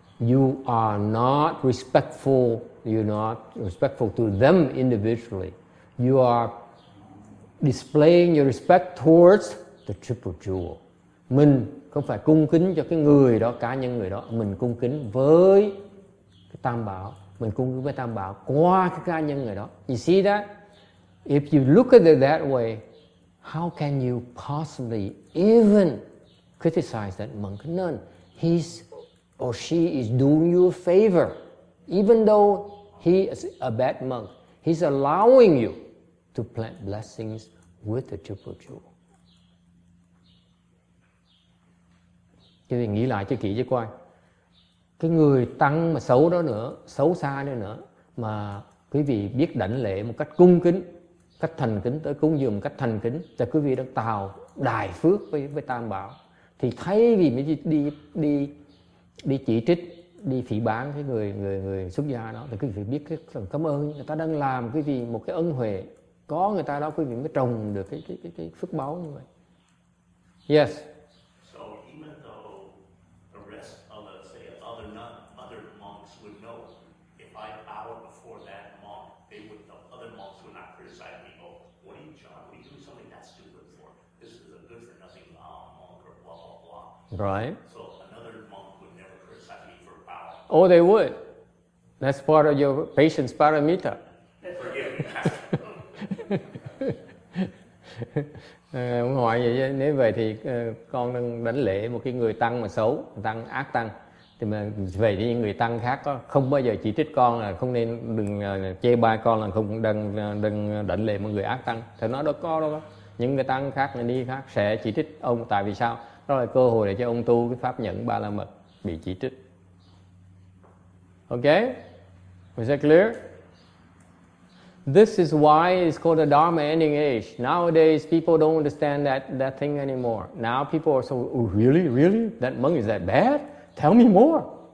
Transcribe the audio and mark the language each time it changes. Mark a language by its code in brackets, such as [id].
[en] You are not respectful, you're not respectful to them individually. You are displaying your respect towards the Triple Jewel. [vi] Mình không phải cung kính cho cái người đó, cá nhân người đó. Mình cung kính với cái Tam Bảo. Mình cung kính với Tam Bảo qua cái cá nhân người đó. [en] You see that? If you look at it that way, how can you possibly even criticize that monk nun? He's or she is doing you a favor. Even though he is a bad monk, he's allowing you to plant blessings with the Triple Jewel. [vi] Chứ thì nghĩ lại cho kỹ chứ coi. Cái người tăng mà xấu đó nữa, xấu xa nữa, mà quý vị biết đảnh lễ một cách cung kính, cách thành kính, tới cúng dường một cách thành kính, cho quý vị đang tạo đại phước với Tam Bảo. Thì thay vì mới đi chỉ trích, đi phỉ báng cái người xuất gia đó, thì quý vị biết cái phần cảm ơn người ta đang làm quý vị một cái ân huệ. Có người ta đó quý vị mới trồng được cái phước báo như vậy. [en] Yes. So even though the rest of the, say, other monks would know, if I bowed before that monk, they would, the other monks would not criticize me. Oh, what are you, John? What are you doing something that stupid for? This is a good for nothing monk or blah, blah, blah. Right. So another monk would never criticize me for bowing. Oh, they would. That's part of your patience parameter. Forgive me. [vi] Ông hỏi vậy, nếu vậy thì con đang đánh lễ một cái người tăng mà xấu, tăng ác tăng, thì mà về thì những người tăng khác có không bao giờ chỉ trích con, là không nên đừng chê bai con là không đang đánh lễ một người ác tăng. Thì nó đâu có đâu đó. Những người tăng khác là đi khác sẽ chỉ trích ông, tại vì sao? Đó là cơ hội để cho ông tu cái pháp nhẫn ba la mật bị chỉ trích. [en] Okay, is that clear? This is why it's called a Dharma ending age. Nowadays, people don't understand that thing anymore. Now people are so, oh, really, really? That monk is that bad? Tell me more.